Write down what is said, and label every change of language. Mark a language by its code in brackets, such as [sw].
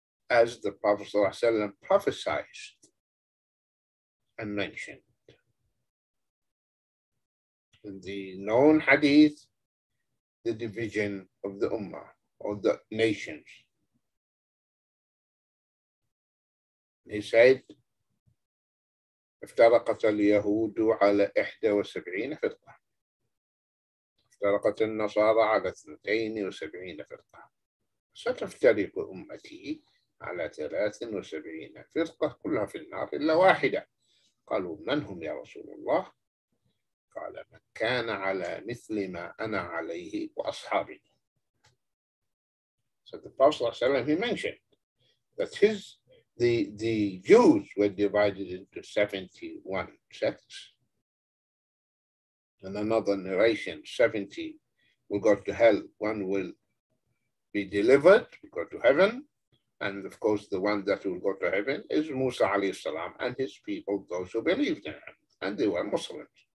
[en] As the Prophet ﷺ prophesied and mentioned in the known hadith, the division of the Ummah or the nations. He said, [ar] افترقت اليهود على 71 فرقة افترقت النصارى على 72 فرقة ستفترق أمتي على 73 فرقة كلها في النار إلا واحدة. قالوا من هم يا رسول الله؟ قال من كان على مثل ما أنا عليه وأصحابي. [en] So the Prophet صلى الله عليه وسلم, he mentioned that his the Jews were divided into 71 sects. In another narration, 70 will go to hell, one will be delivered, go to heaven, and of course the one that will go to heaven is Musa alayhi salam and his people, those who believed in him, and they were Muslims.